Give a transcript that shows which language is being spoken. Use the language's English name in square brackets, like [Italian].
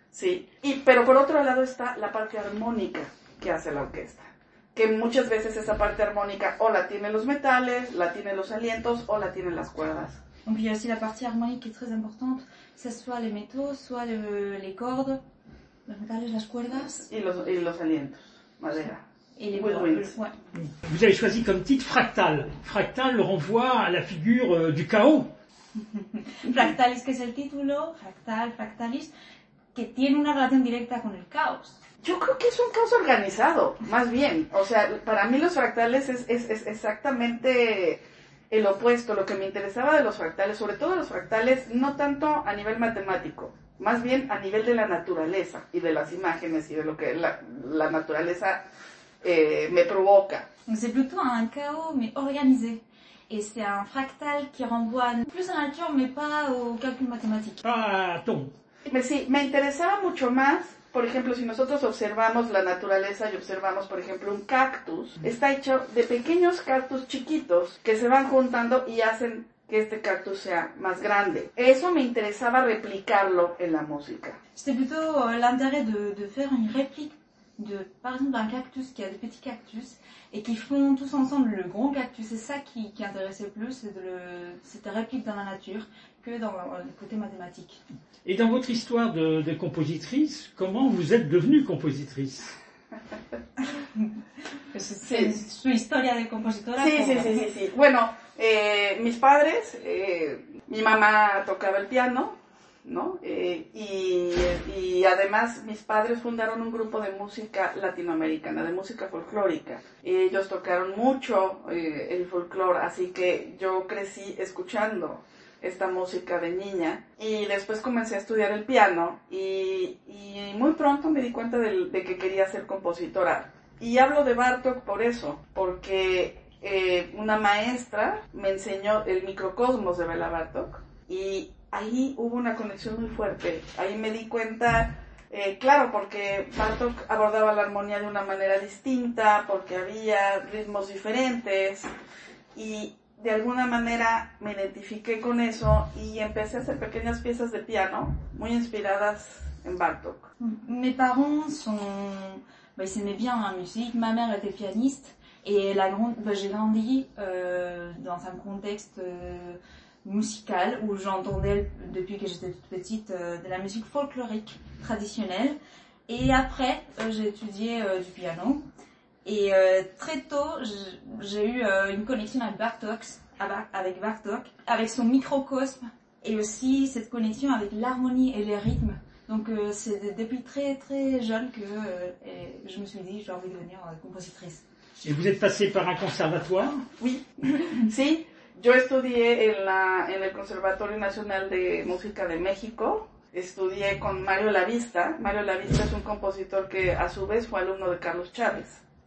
[Spanish] Sí. Y pero por otro lado está la parte armónica que hace la orquesta. Que muchas veces esa parte armónica o la tienen los metales, la tienen los alientos o la tienen las cuerdas. [French] Donc il y a aussi la partie harmonique qui est très importante, que ce soit les métaux, soit les cordes. [Spanish] Los metales, las cuerdas y los alientos, madera. Y [French] le vous avez choisi comme titre fractal. Fractal renvoie à la figure du chaos. [Spanish] Fractalis, que es el título, fractal, fractalis, que tiene una relación directa con el caos. Yo creo que es un caos organizado, más bien. O sea, para mí los fractales es exactamente el opuesto. Lo que me interesaba de los fractales, sobre todo los fractales, no tanto a nivel matemático, más bien a nivel de la naturaleza y de las imágenes y de lo que la naturaleza me provoca. [French] C'est plutôt un chaos mais organisé. Et c'est un fractal qui renvoie plus à la nature mais pas au calcul mathématique. Ah, tom. [Spanish] Mais sí, me interesaba mucho más, por ejemplo, si nosotros observamos la naturaleza y observamos, por ejemplo, un cactus, está hecho de pequeños cactus chiquitos que se van juntando y hacen que este cactus sea más grande. Eso me interesaba replicarlo en la música. [French] C'était plutôt l'intérêt de faire une réplique de, par exemple, d'un cactus qui a des petits cactus et qui font tous ensemble le grand cactus. C'est ça qui intéressait plus, cette réplique dans la nature que dans le côté mathématique. Et dans votre histoire de compositrice, comment vous êtes devenue compositrice? [Spanish] Su historia de compositora. Sí. Bueno, mis padres, mi mamá tocaba el piano, ¿no? Y además mis padres fundaron un grupo de música latinoamericana, de música folclórica. Ellos tocaron mucho el folclore, así que yo crecí escuchando esta música de niña y después comencé a estudiar el piano y muy pronto me di cuenta de que quería ser compositora. Y hablo de Bartók por eso, porque una maestra me enseñó el microcosmos de Béla Bartók y ahí hubo una conexión muy fuerte. Ahí me di cuenta, claro, porque Bartók abordaba la armonía de una manera distinta, porque había ritmos diferentes y de alguna manera me identifiqué con eso y empecé a hacer pequeñas piezas de piano muy inspiradas en Bartók. [French] Mes parents son... Bah, ils aimaient bien la musique. Ma mère était pianiste et j'ai grandi dans un contexte musical où j'entendais, depuis que j'étais toute petite, de la musique folklorique traditionnelle. Et après, j'ai étudié du piano. Et très tôt, j'ai eu une connexion avec Bartók, avec son microcosme et aussi cette connexion avec l'harmonie et les rythmes. Donc c'est depuis très très jeune que je me suis dit j'ai envie de devenir compositrice. Et vous êtes passée par un conservatoire? Oui. [Spanish] Si, yo estudié en el Conservatorio Nacional de Música de México. Estudié con Mario Lavista. Mario Lavista es un compositeur que à su vez fue alumno de Carlos Chávez.